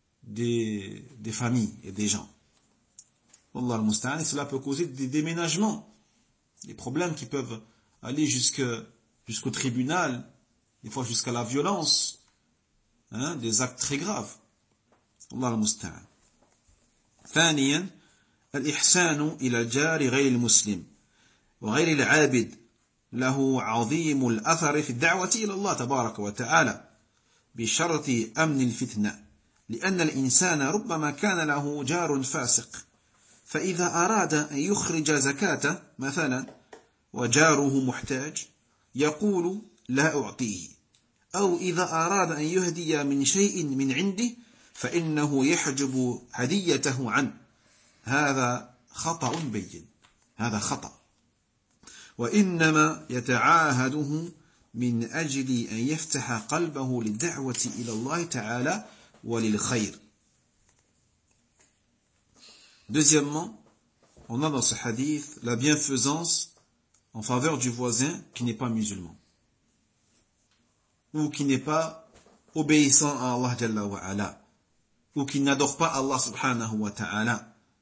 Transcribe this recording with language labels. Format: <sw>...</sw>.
<fr>des familles et des gens. Wallah al-musta'an, cela peut causer des déménagements, des problèmes qui peuvent aller jusqu'au tribunal, des fois jusqu'à la violence, hein, des actes très graves. Wallah al-musta'an.</fr> <ar>Thaniyan, al-ihsanu ila jari ghayr al-muslim wa ghayr al-'abid له عظيم الأثر في الدعوة إلى الله تبارك وتعالى بشرط أمن الفتنة لأن الإنسان ربما كان له جار فاسق فإذا أراد أن يخرج زكاته مثلا وجاره محتاج يقول لا أعطيه أو إذا أراد أن يهدي من شيء من عنده فإنه يحجب هديته عنه هذا خطأ بين هذا خطأ وإنما يتعاهده من أجل أن يفتح قلبه للدعوة إلى الله تعالى وللخير.</ar> <fr>Deuxièmement, on a dans ce hadith la bienfaisance en faveur du voisin qui n'est pas musulman ou qui n'est pas obéissant à Allah Jalla wa Ala ou qui n'adore pas Allah Subhanahu wa Ta'ala.</fr>